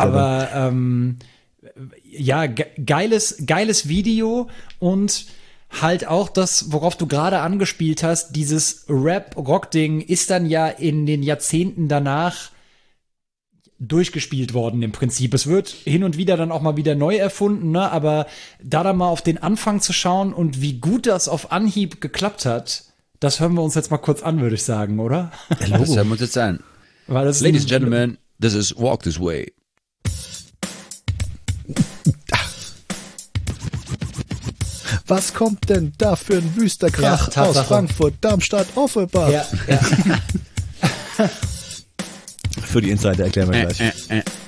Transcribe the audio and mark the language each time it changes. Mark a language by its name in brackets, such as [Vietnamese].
[German] Aber geiles Video und halt auch das, worauf du gerade angespielt hast, dieses Rap-Rock-Ding ist dann ja in den Jahrzehnten danach durchgespielt worden im Prinzip. Es wird hin und wieder dann auch mal wieder neu erfunden, ne? Aber da mal auf den Anfang zu schauen und wie gut das auf Anhieb geklappt hat, das hören wir uns jetzt mal kurz an, würde ich sagen, oder? Das hören wir uns jetzt an. [English] Ladies and Gentlemen, this is Walk This Way. [German] Was kommt denn da für ein wüster Krach aus Frankfurt, Darmstadt, Offenbach? Ja. Für die Insider erklären wir gleich. Ja.